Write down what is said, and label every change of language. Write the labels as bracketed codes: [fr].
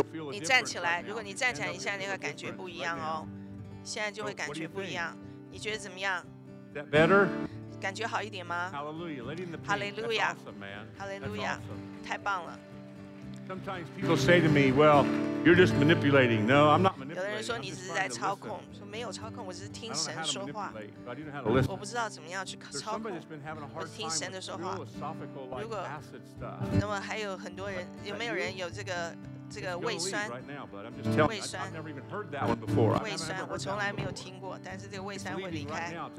[zh] 你站起来，如果你站起来一下，那个感觉不一样哦，现在就会感觉不一样，你觉得怎么样？感觉好一点吗？哈利路亚，哈利路亚，太棒了。 [en] Sometimes people say to me, "Well, you're just manipulating." No, I'm not manipulating. [zh] 有的人说你只是在操控，说没有操控，我只是听神说话。我不知道怎么样去操控，我听神的说话。如果那么还有很多人，有没有人有这个胃酸，我从来没有听过，但是这个胃酸会离开。